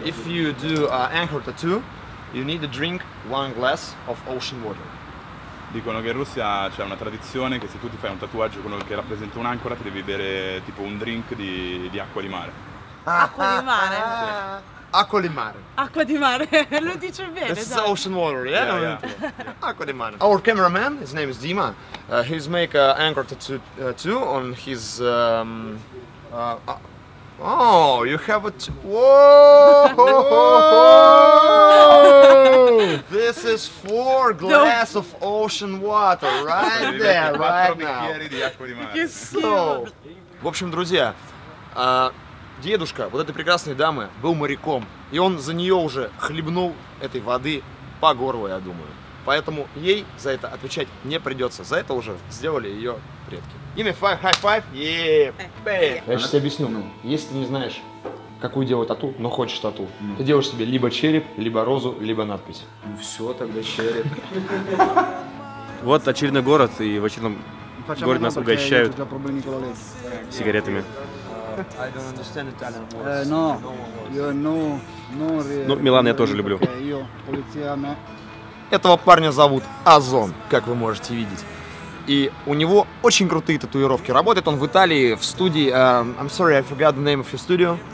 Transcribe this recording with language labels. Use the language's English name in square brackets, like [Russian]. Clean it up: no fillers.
[English] If you do anchor tattoo, you need to drink one glass of ocean water. [Italian] Dicono che in Russia c'è una tradizione che se tu ti fai un tatuaggio con quello che rappresenta un'ancora ti devi bere tipo un drink di acqua di mare. Acqua di mare. Acqua di mare. Acqua di mare. Lo dice bene. [English] This is ocean water, yeah? Yeah, yeah. [Italian] Acqua di mare. [English] Our cameraman, his name is Dima. He's make an anchor tattoo too on his Oh, you have a This is four glass of ocean water right there, right now. So, [Russian] в общем, друзья, дедушка вот этой прекрасной дамы был моряком, и он за нее уже хлебнул этой воды по горло, я думаю. Поэтому ей за это отвечать не придется. За это уже сделали ее предки. [English] Give me five, high five. Yeah. [Russian] Я сейчас тебе объясню. Если ты не знаешь, какую делать тату, но хочешь тату, ты делаешь себе либо череп, либо розу, либо надпись. Ну все, тогда череп. Вот очередной город, и в очередном городе нас угощают сигаретами. [English] I don't understand Italian words. No, you know, no. [Russian] Ну, Милан я тоже люблю. Этого парня зовут Озон, как вы можете видеть. И у него очень крутые татуировки. Работает он в Италии, в студии. [English] I'm sorry, I forgot the name of your studio.